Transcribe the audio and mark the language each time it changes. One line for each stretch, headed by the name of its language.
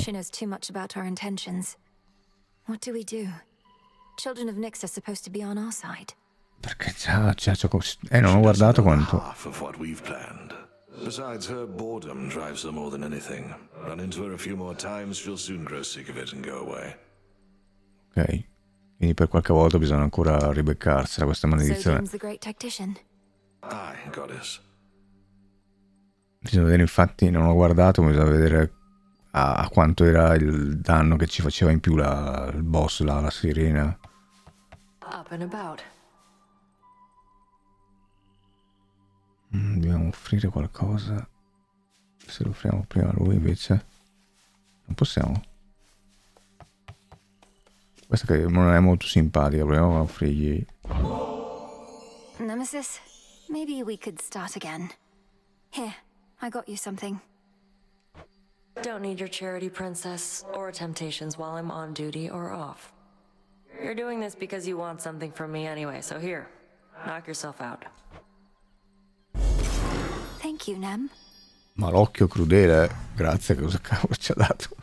English: She knows too much about our intentions. What do we do? Children of Nyx are supposed to be on our side.
Italian: Perché già, non ho guardato quanto.
English: Half of what we've planned. Besides, her boredom drives her more than anything. Run into her a few more times, she'll soon grow sick of it and go away.
Italian: Ok, quindi per qualche volta bisogna ancora ribeccarsela questa maledizione. Bisogna vedere, infatti non ho guardato, ma bisogna vedere a quanto era il danno che ci faceva in più il boss, la sirena.
English: Up and about.
Italian: Dobbiamo offrire qualcosa. Se lo offriamo prima a lui invece non possiamo. Questo che non è molto simpatico, proviamo a offrirgli.
English: Nemesis, maybe we could start again. Here, I got you something. Don't need your charity, princess, or temptations while I'm on duty or off. You're doing this because you want something from me anyway, so here, knock yourself out. Thank you, Nem.
Italian: Ma l'occhio crudele, grazie, cosa cavolo ci ha dato?